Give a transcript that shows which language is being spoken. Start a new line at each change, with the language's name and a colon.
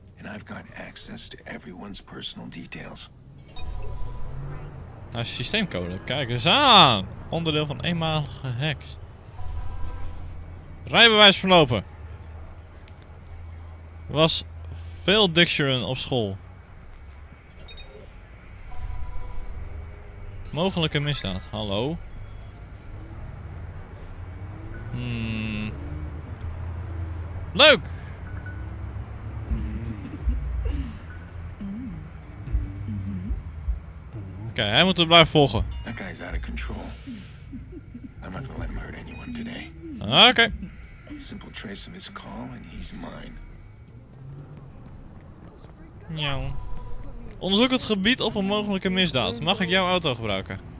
English: And I've got access to everyone's personal details.
Dutch: Nou, systeemcode. Kijk eens aan. Onderdeel van eenmalige hacks. Rijbewijs verlopen. Was veel dictionary op school. Mogelijke misdaad. Hallo. Leuk. Okay, hij moet het blijven volgen.
English: That guy's out of control. I'm not gonna let him hurt anyone today. Okay. Simple trace of his call and he's mine. Meow.
Dutch: Onderzoek het gebied op een mogelijke misdaad. Mag ik jouw auto gebruiken?